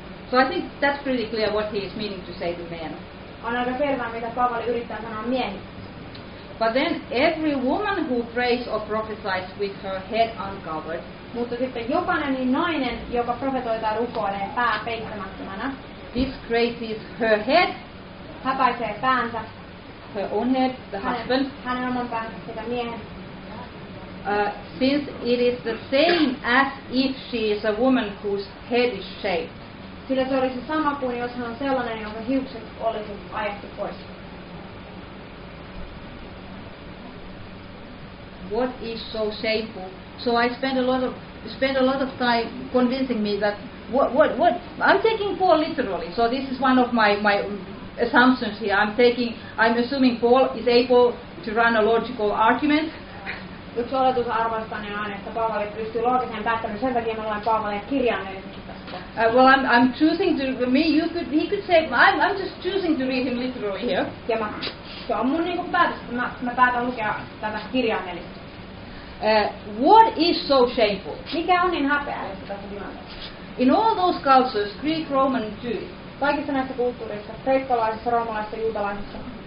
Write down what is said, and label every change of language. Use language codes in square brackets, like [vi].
[en] So I think that's pretty clear what he is meaning to say to men. [fi] On aika selvää, mitä Paavali yrittää sanoa miehille. [en] But then every woman who prays or prophesies with her head uncovered. [fi] Mutta sitten jokainen nainen, joka profetoi tai rukoilee pää peittämättömänä. [en] Disgraces her head. [fi] Häpäisee päänsä. [en] Her own head, the husband. [fi] Hänen oman päänsä, sitä miehen. [en] Since it is the same as if she is a woman whose head is shaved. [fi] Sillä se olisi sama kuin jos hän on sellainen, jonka hiukset olisi ajettu pois. [en] What is so shameful? So I spend a lot of time convincing me that what I'm taking Paul literally. So this is one of my assumptions here. I'm assuming Paul is able to run a logical argument. [fi] Yksi oletusarvostani on aina, että Paavali pystyy loogiseen päättämään. Sen takia me olemme Paavalia kirjaimellisesti tässä. [en] Well, I'm choosing to me. You could he could say I'm just choosing to read him literally here. [fi] Ja mä, se on mun niinku päätös. Mä päätän lukea tätä kirjaimellisesti. [en] What is so shameful? [fi] Mikä on niin häpeällistä tässä tilanteessa? [en] In all those cultures, Greek, Roman, Jewish. [fi] Kaikissa näissä kulttuureissa, kreikkalaisissa, roomalaisissa, juutalaisissa.